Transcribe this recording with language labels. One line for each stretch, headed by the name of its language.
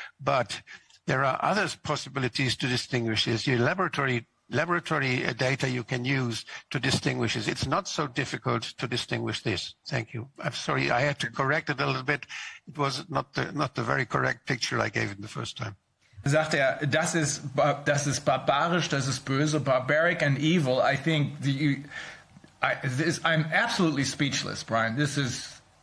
English: But there are other possibilities to distinguish this. Your laboratory data you can use to distinguish this. It's not so difficult to distinguish this. Thank you. I'm sorry, I had to correct it a little bit. It was not the very correct picture I gave it the first time.
German: Sagt er, das ist barbarisch, das ist böse,
English: barbaric and evil. I think I'm absolutely speechless, Brian. This is...